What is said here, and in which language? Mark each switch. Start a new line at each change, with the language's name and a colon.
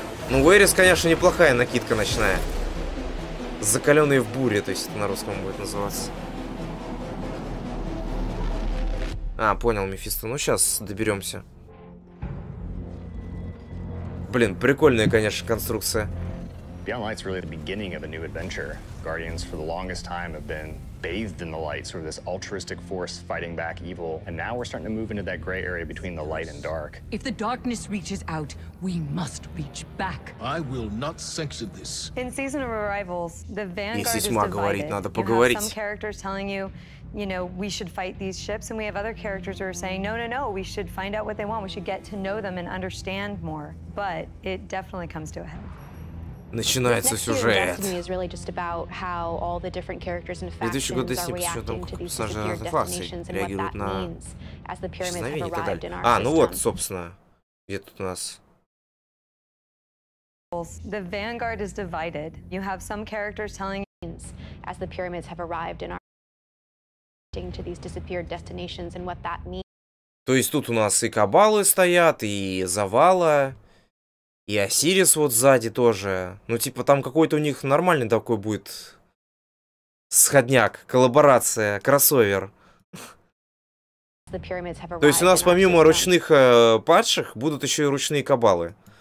Russian: Ну, Уэрис, конечно, неплохая накидка ночная. Закаленные в буре, то есть это на русском будет называться. А, понял, Мефисто. Ну, сейчас доберемся. Блин, прикольная, конечно, конструкция.
English: Beyond Light's really the beginning of a new adventure. Guardians for the longest time have been bathed in the light, sort of this altruistic force fighting back evil. And now we're starting to move into that gray area between the light and dark. If the darkness reaches out, we must reach back. I will not sanction this. In Season of Arrivals, the Vanguard is divided.
Russian: Если тьма говорит, надо поговорить.
English: You have some characters telling you, you know, we should fight these ships, and we have other characters who are saying, no, we should find out what they want, we should get to know them and understand more. But it definitely comes to a head.
Russian: Начинается сюжет. Really следующий год Destiny посвящен тому, как персонажи разных фаций реагируют на исчезновение и так далее. А, ну вот, собственно, где тут у нас...
English: The Vanguard is divided. You have some characters telling as the pyramids have arrived and are reacting to these disappeared destinations and what that means.
Russian: То есть тут у нас и кабалы стоят, и завала... И Осирис вот сзади тоже. Ну, типа, там какой-то у них нормальный такой будет сходняк, коллаборация, кроссовер. То есть у нас помимо ручных падших будут еще и ручные кабалы.